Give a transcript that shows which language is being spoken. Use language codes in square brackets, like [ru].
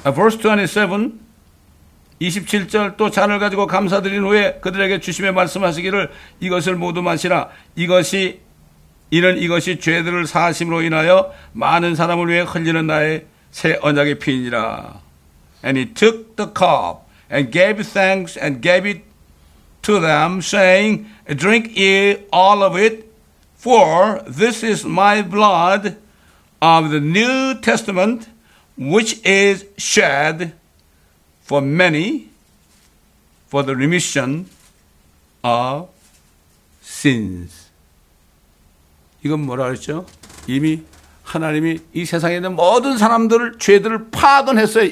[ko] 27, 27절 또 잔을 가지고 감사드린 후에 그들에게 주심의 말씀하시기를 이것을 모두 마시라. 이것이 죄들을 사하심으로 인하여 많은 사람을 위해 흘리는 나의 새 언약의 피니라. [en] And he took the cup and gave thanks and gave it to them saying, Drink ye all of it, for this is my blood of the New Testament, which is shed for many for the remission of sins. [ko] 이건 뭐라 그랬죠? 이미 하나님이 이 세상에 있는 모든 사람들을 죄들을 파견했어요.